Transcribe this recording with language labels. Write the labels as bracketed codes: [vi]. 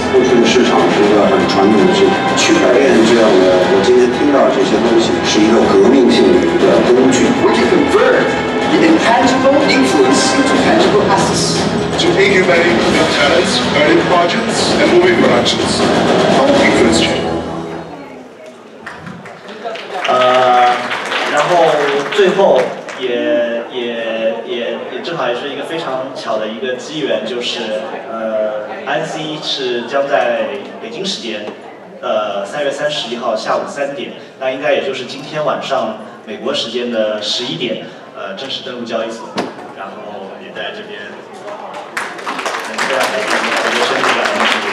[zh] 过去的市场是一个很传统的区区块链这样的，我今天听到这些东西是一个革命性的工具。 [en] We can convert the intangible influence into tangible assets. To incubate new talents, earning projects, and movie productions. On Influence Chain. [zh] 然后最后也正好也是一个非常巧的一个机缘，就是IC 是将在北京时间3月31号下午3点，那应该也就是今天晚上美国时间的11点正式登陆交易所，然后也在这边能够让大家有一个生日来。